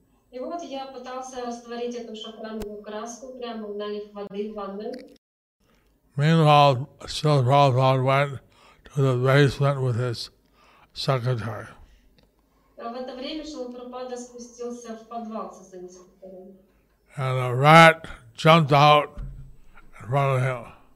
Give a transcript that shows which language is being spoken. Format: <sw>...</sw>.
<ru>И вот я пытался растворить эту шафрановую краску прямо налив воды в ванную.</ru> <en>Meanwhile, Srila Prabhupada went to the basement with his secretary.</en> <ru>В это время Шрила Прабхупада спустился в подвал со своим секретарем.</ru> <en>And a rat jumped out in front of him.</en>